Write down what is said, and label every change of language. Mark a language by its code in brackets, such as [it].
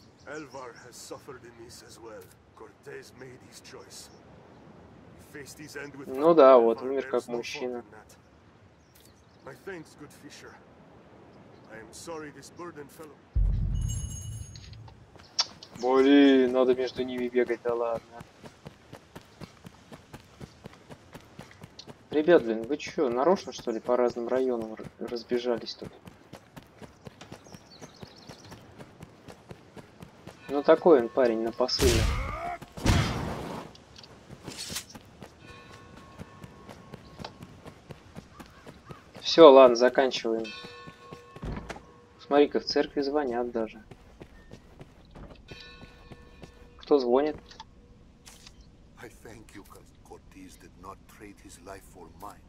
[en] Elvar has suffered in this as well. Cortez made his choice. He faced his end with... [ru] Ну да, вот, умер как мужчина. [en] My thanks, good Fisher. I am sorry this burden fell. [ru] Блин, надо между ними бегать, да ладно. Ребят, блин, вы чё, нарочно что ли по разным районам разбежались тут? Ну такой он парень на посыле. Все, ладно, заканчиваем. Смотри-ка, в церкви звонят даже. Кто звонит? [en] I thank you, Cortez did not trade his life for mine.